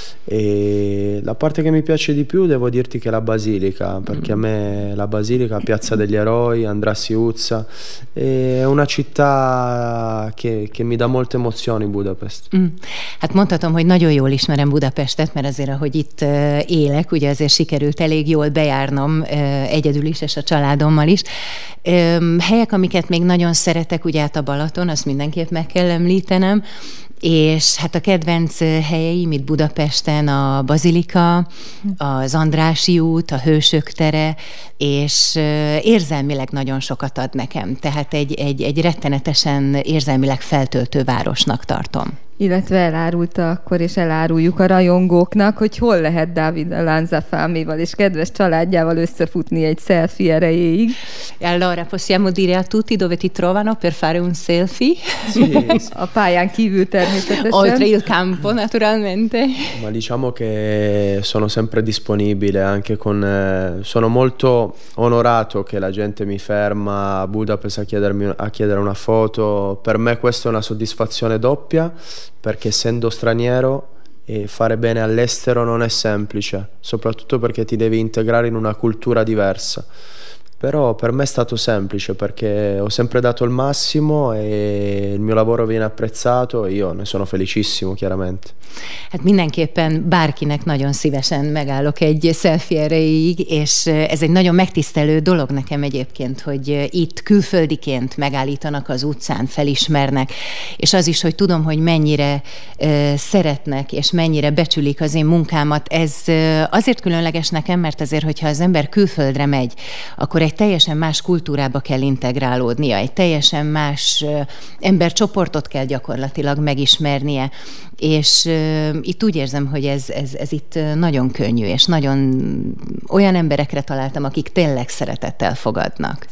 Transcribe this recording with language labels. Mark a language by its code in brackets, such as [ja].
[it] E la parte che mi piace di più, devo dirti, che è la Basilica, perché a me la Basilica, Piazza degli Eroi, Andrassy Utca, è una città che mi dà molte emozioni, Budapest. [hu] Hát mondhatom, hogy nagyon jól ismerem Budapestet, mert azért, ahogy itt élek, ugye azért sikerült elég jól bejárnom egyedül is, és a családommal is. Helyek, amiket még nagyon szeretek, ugye hát a Balaton, azt mindenképp meg kell említenem, és hát a kedvenc helyeim itt Budapesten a Bazilika, az Andrássy út, a Hősök tere, és érzelmileg nagyon sokat ad nekem. Tehát egy rettenetesen érzelmileg feltöltő városnak tartom. Illetve elárulta akkor, és eláruljuk a rajongóknak, hogy hol lehet Dávid Lanzafámival és kedves családjával összefutni egy selfie erejéig. [it] Allora, possiamo dire a tutti dove ti trovano per fare un selfie? Sì. [hu] A pályán kívül természetesen. [it] Oltre il campo, naturalmente. Ma diciamo che sono sempre disponibile, anche con... sono molto onorato che la gente mi ferma a Budapest a chiedere una foto. Per me questa è una soddisfazione doppia. Perché essendo straniero e fare bene all'estero non è semplice, soprattutto perché ti devi integrare in una cultura diversa. Però per me è stato semplice, perché ho sempre dato il massimo e il mio lavoro viene apprezzato e io ne sono felicissimo, chiaramente. [hu] Hát mindenképpen bárkinek nagyon szívesen megállok egy selfie erejéig, és ez egy nagyon megtisztelő dolog nekem egyébként, hogy itt külföldiként megállítanak az utcán, felismernek, és az is, hogy tudom, hogy mennyire szeretnek, és mennyire becsülik az én munkámat, ez azért különleges nekem, mert azért, hogyha az ember külföldre megy, akkor egy teljesen más kultúrába kell integrálódnia, egy teljesen más embercsoportot kell gyakorlatilag megismernie, és itt úgy érzem, hogy ez itt nagyon könnyű, és nagyon olyan emberekre találtam, akik tényleg szeretettel fogadnak.